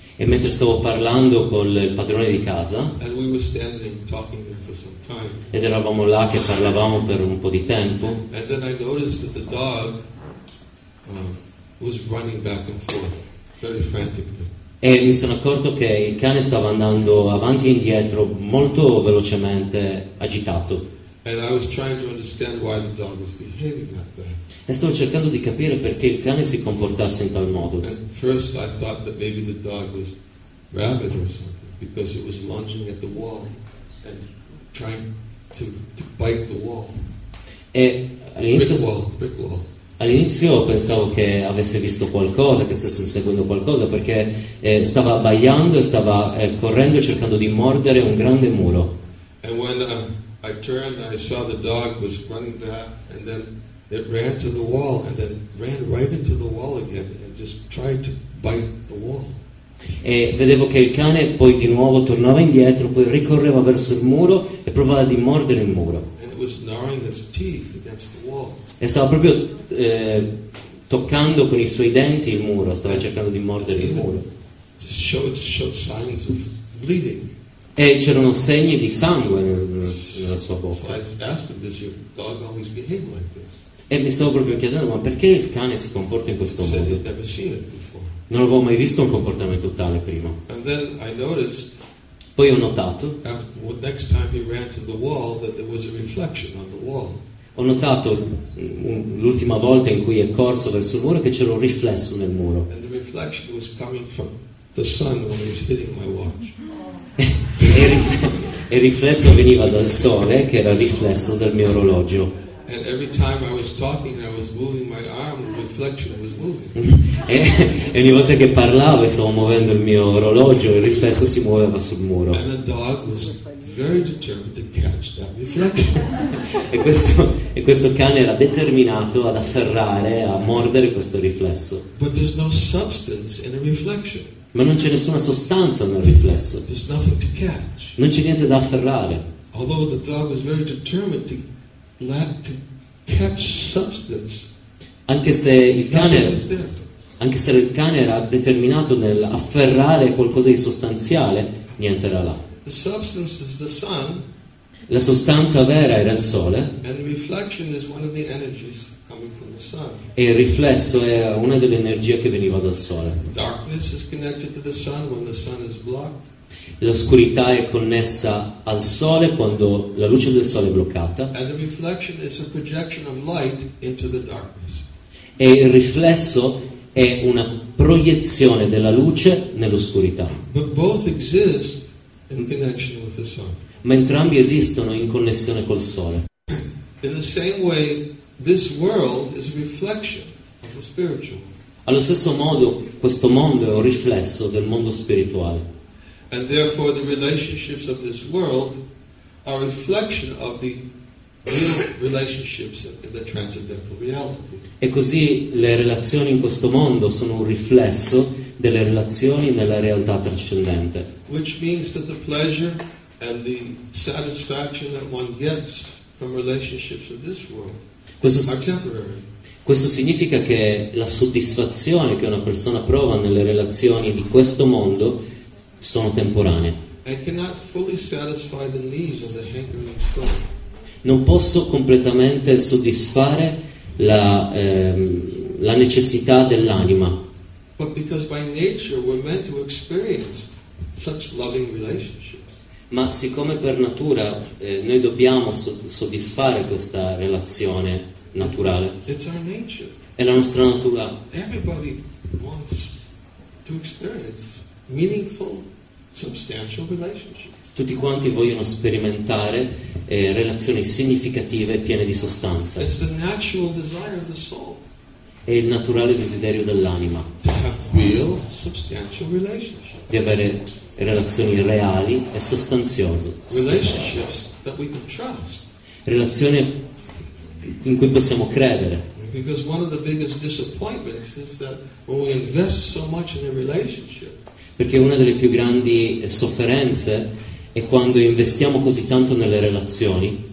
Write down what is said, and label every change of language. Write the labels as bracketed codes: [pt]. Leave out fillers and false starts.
[it] E mentre stavo parlando con il padrone di casa, [en] and we were standing talking there for some time. [it] Ed eravamo là che parlavamo per un po' di tempo. [en] And then I noticed that the dog was running back and forth, very frantically. [it] E mi sono accorto che il cane stava andando avanti e indietro molto velocemente, agitato. [en] And I was trying to understand why the dog was behaving like that. [it] E stavo cercando di capire perché il cane si comportasse in tal modo. [en] And first I thought that maybe the dog was rabid or something, because it was lunging at the wall and trying to bite the wall. [it] E [en] brick wall. [it] All'inizio pensavo che avesse visto qualcosa, che stesse inseguendo qualcosa, perché stava abbaiando e stava correndo cercando di mordere un grande muro. [en] And when I turned and I saw the dog was running back and then it ran to the wall and then ran right into the wall again and just tried to bite the wall. [it] E vedevo che il cane poi di nuovo tornava indietro, poi ricorreva verso il muro e provava di mordere il muro. [en] And it was gnawing its teeth against the wall. [it] E stava proprio toccando con i suoi denti il muro, stava cercando di mordere il muro. [en] Showed signs of bleeding. [it] E c'erano segni di sangue nella sua bocca. [en] So I asked him, "Does your dog always behave like this?" [it] E mi stavo proprio chiedendo, ma perché il cane si comporta in questo modo? [en] He said, "I've never seen it before." [it] Non avevo mai visto un comportamento tale prima. [en] And then I noticed, [it] poi ho notato, [en] next time he ran to the wall, that there was a reflection on the wall. [it] Ho notato l'ultima volta in cui è corso verso il muro che c'era un riflesso nel muro. [en] And the reflection was coming from the sun when he was hitting my watch. [it] E il riflesso veniva dal sole, che era il riflesso del mio orologio. [en] And every time I was talking and I was moving my arm, the reflection was moving. [it] E ogni volta che parlavo e stavo muovendo il mio orologio, il riflesso si muoveva sul muro. [en] And the dog was very determined to catch that reflection. [it] E questo cane era determinato ad afferrare, a mordere questo riflesso. [en] But there's no substance in a reflection. [it] Ma non c'è nessuna sostanza nel riflesso. [en] There's nothing to catch. [it] Non c'è niente da afferrare. [en] Although the dog was very determined to catch substance [it] Anche se il cane, anche se il cane era determinato nell'afferrare qualcosa di sostanziale, niente era là. [en] The substance is the sun. [it] La sostanza vera era il sole. [en] And the reflection is one of the energies coming from the sun. [it] E il riflesso è una delle energie che veniva dal sole. [en] Darkness is connected to the sun when the sun is blocked. [it] L'oscurità è connessa al sole quando la luce del sole è bloccata. [en] And the reflection is a projection of light into the darkness. [it] E il riflesso è una proiezione della luce nell'oscurità. [en] But both exist in connection with the sun. [it] Ma entrambi esistono in connessione col sole. [en] In the same way, this world is a reflection of the spiritual. [it] Allo stesso modo, questo mondo è un riflesso del mondo spirituale. [en] And therefore the relationships of this world are a reflection of the real relationships in the transcendental reality. [it] E così le relazioni in questo mondo sono un riflesso delle relazioni nella realtà trascendente. [en] Which means that the pleasure and the satisfaction that one gets from relationships of this world are temporary. [it] Questo significa che la soddisfazione che una persona prova nelle relazioni di questo mondo sono temporanee. [en] I cannot fully satisfy the needs of the hankering soul. [it] Non posso completamente soddisfare la necessità dell'anima. [en] But because by nature we're meant to experience such loving relationships. [it] Ma siccome per natura noi dobbiamo soddisfare questa relazione naturale. [en] It's our nature. [it] È la nostra natura. [en] Everybody wants to experience meaningful substantial relationships. [it] Tutti quanti vogliono sperimentare relazioni significative e piene di sostanza. [en] It's the natural desire of the soul. [it] È il naturale desiderio dell'anima. [en] To have real substantial relationships. [it] Di avere relazioni reali e sostanziose. [en] Relationships that we can trust. [it] Relazioni in cui possiamo credere. [en] Because one of the biggest disappointments is that when we invest so much in a relationship. [it] Perché una delle più grandi sofferenze è quando investiamo così tanto nelle relazioni.